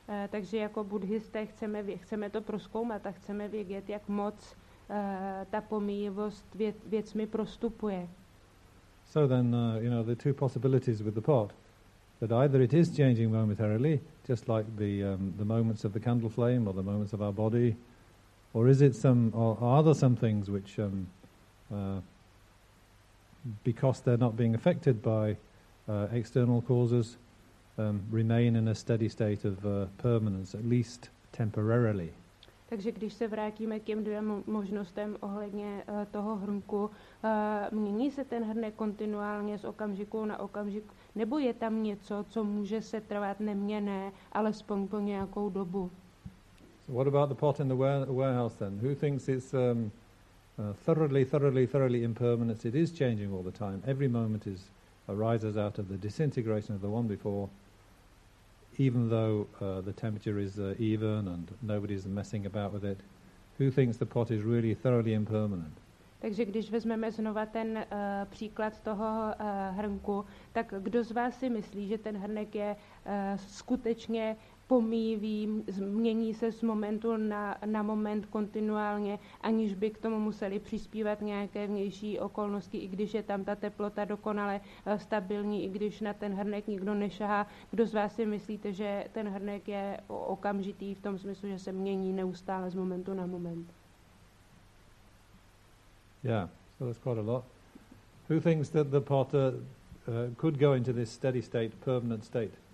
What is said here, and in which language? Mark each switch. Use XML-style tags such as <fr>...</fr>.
<cs>Takže jako buddhisté chceme to prozkoumat a chceme vědět, jak moc ta pomíjivost věcmi prostupuje.</cs> <en>So then, the two possibilities with the pot, that either it is changing momentarily, just like the moments of the candle flame or the moments of our body, or is it some, or are there some things which, because they're not being affected by external causes, remain in a steady state of permanence, at least temporarily.</en> <cs>Takže když se vrátíme k těm dvěma možnostem ohledně toho hrnku, mění se ten hrnek kontinuálně z okamžiku na okamžik, nebo je tam něco, co může se trvat neměné, alespoň po nějakou dobu?</cs> <en>So what about the pot in the warehouse then? Who thinks it's thoroughly impermanent? It is changing all the time. Every moment arises out of the disintegration of the one before. Even though the temperature is even and nobody's messing about with it, who thinks the pot is really thoroughly impermanent?</en> <cs>Takže když vezmeme znova ten příklad toho hrnku, tak kdo z vás si myslí, že ten hrnek je skutečně pomývý, mění se z momentu na moment kontinuálně, aniž by k tomu museli přispívat nějaké vnější okolnosti, i když je tam ta teplota dokonale stabilní, i když na ten hrnek nikdo nešahá. Kdo z vás si myslíte, že ten hrnek je okamžitý v tom smyslu, že se mění neustále z momentu na moment?</cs> <en>Yeah, so that's quite a lot. Who thinks that the pot could go into this steady state, permanent state?</en>